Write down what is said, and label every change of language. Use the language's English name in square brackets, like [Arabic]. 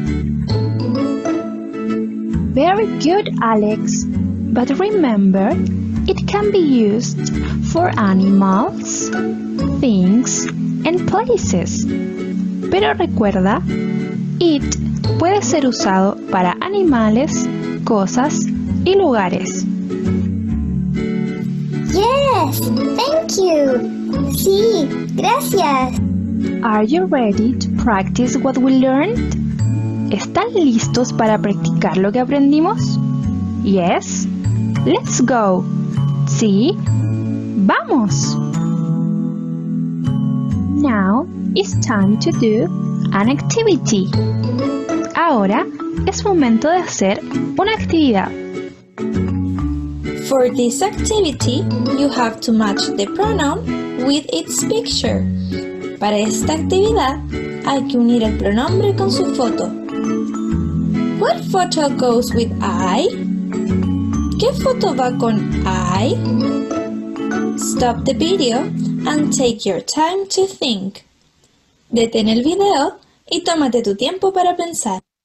[English] Very good, Alex. But remember, it can be used for animals, things, and places. [Spanish] Pero recuerda, it puede ser usado para animales, cosas, y lugares. [English] Yes, thank you. [Spanish] Sí, gracias. [English] Are you ready to practice what we learned? [Spanish] ¿Están listos para practicar lo que aprendimos? [English] Yes. Let's go. [Spanish] Sí. Vamos. [English] Now it's time to do an activity. [Spanish] Ahora es momento de hacer una actividad. [English] For this activity, you have to match the pronoun with its picture. [Spanish] Para esta actividad, hay que unir el pronombre con su foto. [English] What photo goes with I? [Spanish] ¿Qué foto va con I? [English] Stop the video and take your time to think. [Spanish] Detén el video y tómate tu tiempo para pensar.